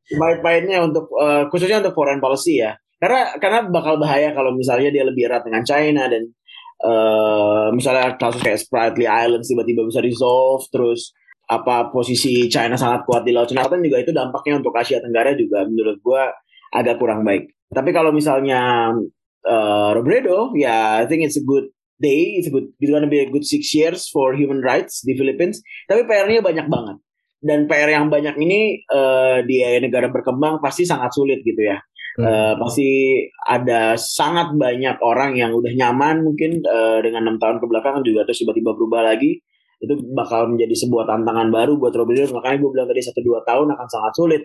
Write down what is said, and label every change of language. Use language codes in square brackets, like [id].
[id] Sepahit-pahitnya untuk khususnya untuk foreign policy ya. Karena bakal bahaya kalau misalnya dia lebih erat dengan China, dan misalnya kasus kayak Spratly Islands tiba-tiba bisa resolve, terus apa posisi China sangat kuat di Laut Cina Selatan juga, itu dampaknya untuk Asia Tenggara juga menurut gue agak kurang baik. Tapi kalau misalnya Robredo, ya [en] I think it's a good day, it's gonna be a good 6 years for human rights di Philippines. [id] Tapi PR-nya banyak banget, dan PR yang banyak ini di negara berkembang pasti sangat sulit gitu ya. Pasti ada sangat banyak orang yang udah nyaman mungkin dengan 6 tahun kebelakang juga, terus tiba-tiba berubah lagi. Itu bakal menjadi sebuah tantangan baru buat Robredo. Makanya gue bilang tadi 1-2 tahun akan sangat sulit.